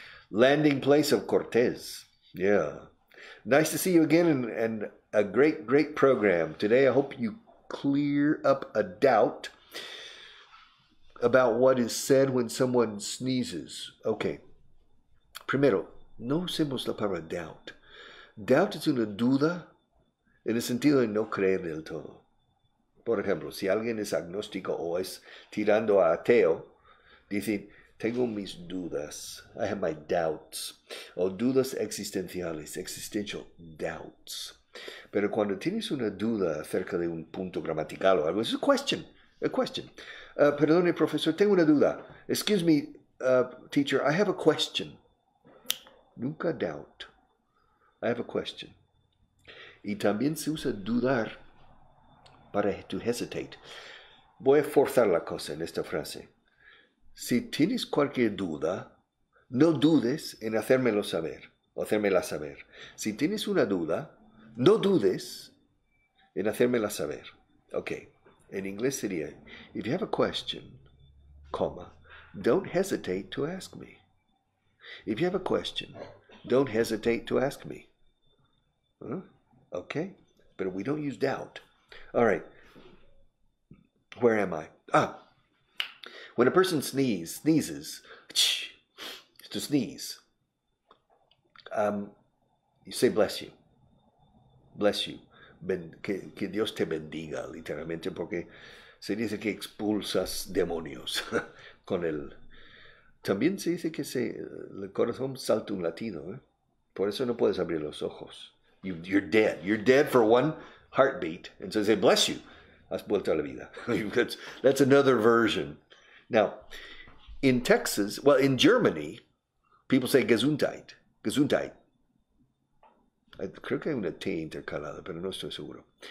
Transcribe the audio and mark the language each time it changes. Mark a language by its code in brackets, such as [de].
[en] Landing place of Cortez. Yeah. Nice to see you again and a great, great program. Today, I hope you clear up a doubt about what is said when someone sneezes. [es] Okay. Primero, no usemos la palabra doubt. Doubt es una duda en el sentido de no creer del todo. Por ejemplo, si alguien es agnóstico o es tirando a ateo, dicen, tengo mis dudas. [en] I have my doubts. [es] O dudas existenciales, [en] existential doubts. [es] Pero cuando tienes una duda acerca de un punto gramatical o algo, [en] it's a question. [es] Perdone, profesor, tengo una duda. [en] Excuse me, teacher, I have a question. [es] Nunca [en] doubt. I have a question. [es] Y también se usa dudar para [en] to hesitate. [es] Voy a forzar la cosa en esta frase. Si tienes cualquier duda, no dudes en hacérmelo saber, o hacérmela saber. Si tienes una duda, no dudes en hacérmela saber. [en] Okay. In English, [es] sería, [en] if you have a question, comma, don't hesitate to ask me. If you have a question, don't hesitate to ask me. Huh? Okay, but we don't use doubt. All right, where am I? When a person sneezes, it's to sneeze. You say, bless you. Bless you. [es] Que Dios te bendiga, literalmente, porque se dice que expulsas demonios con él. También se dice que el corazón salta un latido. Por eso no puedes abrir los ojos. [en] You're dead. You're dead for one heartbeat. And so they say, bless you. [es] Has vuelto a la vida. [en] That's another version. Now, in Texas, well, in Germany, people say Gesundheit. [de] Gesundheit. [es] Creo que hay una T intercalada, pero no estoy seguro.